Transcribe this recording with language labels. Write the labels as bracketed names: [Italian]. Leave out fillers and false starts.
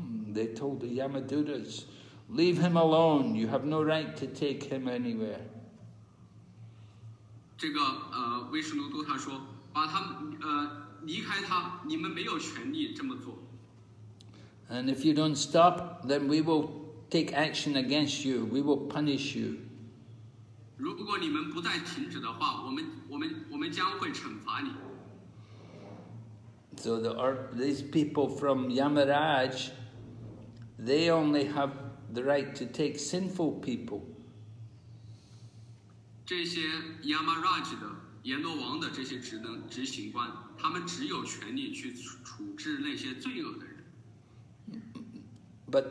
[English] They told the Yamadutas, leave him alone, you have no right to take him anywhere. [Chinese] 这个威士奴都他说，把他离开他，你们没有权利这么做。 [English] And if you don't stop, then we will take action against you, we will punish you. [Chinese] 如果你们不再停止的话，我们将会惩罚你。 [English] So these people from Yamaraj, they only have the right to take sinful people. [Chinese] 这些 Yamaraj 的阎罗王的这些职能执行官，他们只有权利去处置那些罪恶的人。 [English] But